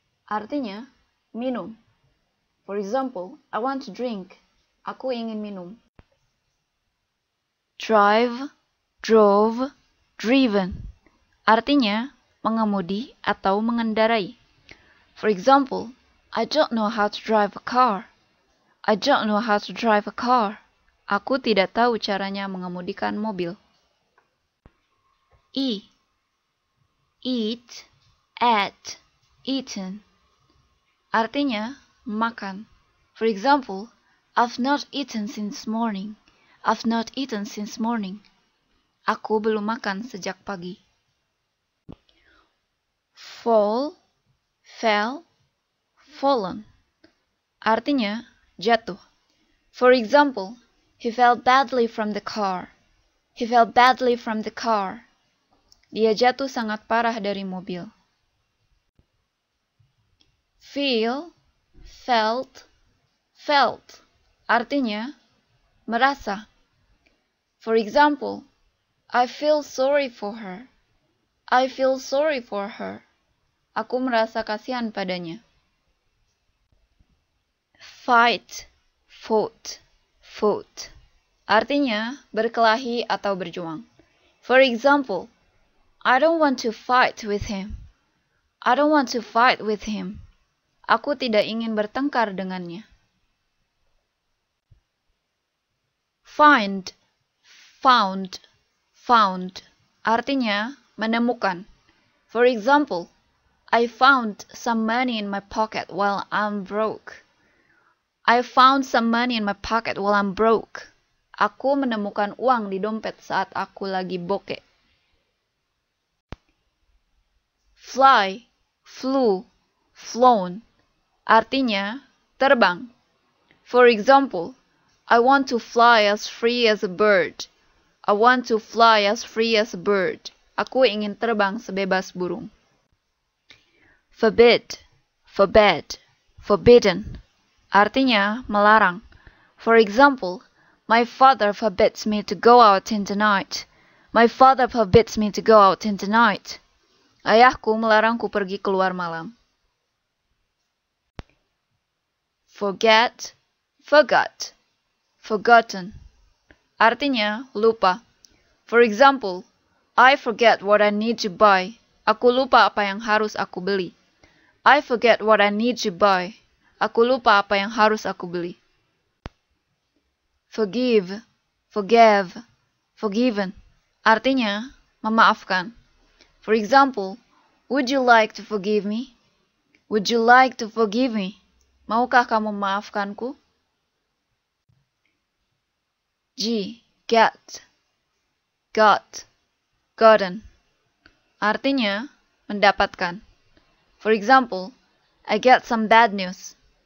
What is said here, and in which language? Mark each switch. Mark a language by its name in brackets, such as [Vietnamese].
[Indonesian] Artinya, minum. [English] For example, I want to drink. [Indonesian] Aku ingin minum. [English] Drive, drove, driven. [Indonesian] Artinya, mengemudi atau mengendarai. [English] For example, I don't know how to drive a car. I don't know how to drive a car. [Indonesian] Aku tidak tahu caranya mengemudikan mobil. [English] E. Eat, at, eaten. [Indonesian] Artinya, makan. [English] For example, I've not eaten since morning. I've not eaten since morning. [Indonesian] Aku belum makan sejak pagi. [English] Fall, fell, fallen. [Indonesian] Artinya, jatuh. [English] For example, he fell badly from the car. He fell badly from the car. [Indonesian] Dia jatuh sangat parah dari mobil. [English] Feel, felt, felt. [Indonesian] Artinya, merasa. [English] For example, I feel sorry for her. I feel sorry for her. [Indonesian] Aku merasa kasihan padanya. [English] Fight, fought, fought. [Indonesian] Artinya, berkelahi atau berjuang. [English] For example, I don't want to fight with him. I don't want to fight with him. [Indonesian] Aku tidak ingin bertengkar dengannya. [English] Find, found, found. [Indonesian] Artinya, menemukan. [English] For example, I found some money in my pocket while I'm broke. I found some money in my pocket while I'm broke. [Indonesian] Aku menemukan uang di dompet saat aku lagi bokek. [English] Fly, flew, flown. [Indonesian] Artinya, terbang. [English] For example, I want to fly as free as a bird. I want to fly as free as a bird. [Indonesian] Aku ingin terbang sebebas burung. [English] Forbid, forbid, forbidden. [Indonesian] Artinya, melarang. [English] For example, my father forbids me to go out in the night. My father forbids me to go out in the night. [Indonesian] Ayahku melarangku pergi keluar malam. [English] Forget, forgot, forgotten. [Indonesian] Artinya, lupa. [English] For example, I forget what I need to buy. [Indonesian] Aku lupa apa yang harus aku beli. [English] I forget what I need to buy. [Indonesian] Aku lupa apa yang harus aku beli. [English] Forgive, forgive, forgiven. [Indonesian] Artinya, memaafkan. [English] For example, would you like to forgive me? Would you like to forgive me? [Indonesian] Maukah kamu memaafkanku? [English] G, get, got, gotten. [Indonesian] Artinya, mendapatkan. [English] For example, I get some bad news.